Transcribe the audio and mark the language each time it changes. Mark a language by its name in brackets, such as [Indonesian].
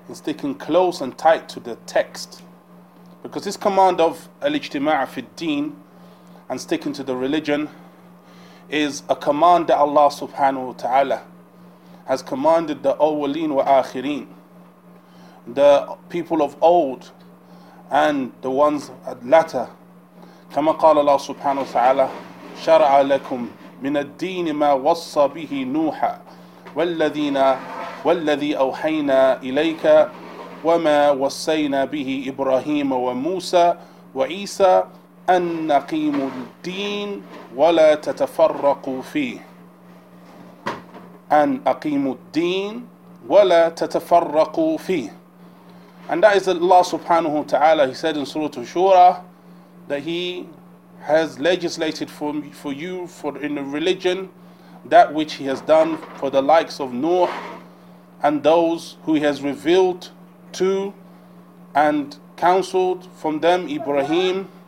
[English] He's sticking close and tight to the text. Because this command of al-ijtima'a fi deen and sticking to the religion is a command that Allah subhanahu wa ta'ala has commanded the awwaleen wa akhireen, the people of old and the ones at latter. [Arabic] كما قال الله سبحانه وتعالى شرع لكم من الدين ما وصى به نوحا والذي أوحينا إليك وما وصينا به إبراهيم وموسى وعيسى أن نقيموا الدين ولا تتفرقوا فيه أن أقيموا الدين ولا تتفرقوا فيه. [English] And that is Allah subhanahu wa ta'ala, he said in Surah Shura, that he has legislated for you in the religion that which he has done for the likes of Nuh and those who he has revealed to and counseled from them, Ibrahim